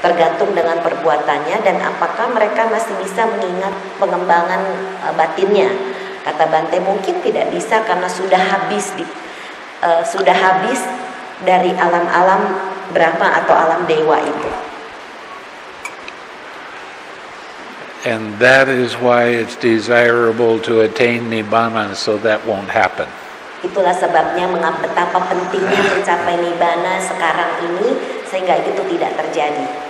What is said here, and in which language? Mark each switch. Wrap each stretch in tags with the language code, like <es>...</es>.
<id>Tergantung dengan perbuatannya dan apakah mereka masih bisa mengingat pengembangan batinnya. Kata Bhante, mungkin tidak bisa karena sudah habis dari alam-alam Brahma atau alam Dewa itu.</id> <en>And that is why it's desirable to attain Nibbana, so that won't happen.</en> <id>Itulah sebabnya mengapa betapa pentingnya mencapai Nibbana sekarang ini, sehingga itu tidak terjadi.</id>